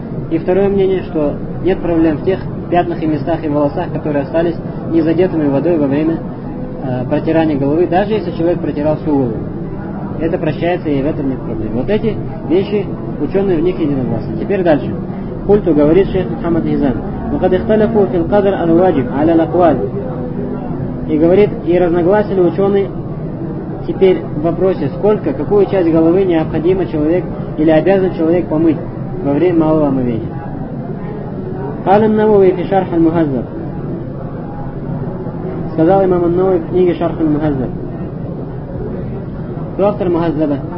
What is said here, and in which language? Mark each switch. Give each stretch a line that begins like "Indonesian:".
Russian: И второе мнение, что нет проблем в тех пятнах и местах и волосах, которые остались незадетыми водой во время протирания головы, даже если человек протирал всю голову. Это прощается, и в этом нет проблем. Вот эти вещи, ученые в них единогласны. Теперь дальше. Культу говорит шейх Мухаммад Хизан.
Arabic: وقد اختلفوا في القدر الواجب على الأقوال.
Russian: И говорит, и разногласили ученые теперь в вопросе, сколько, какую часть головы необходимо человек или обязан человек помыть во время малого омовения.
Arabic: قال النووي في شرح المهذب.
Russian: Сказал имам ан-Науи в книге Шарх аль-Мухаззаб. Кто автор Мухаззаба?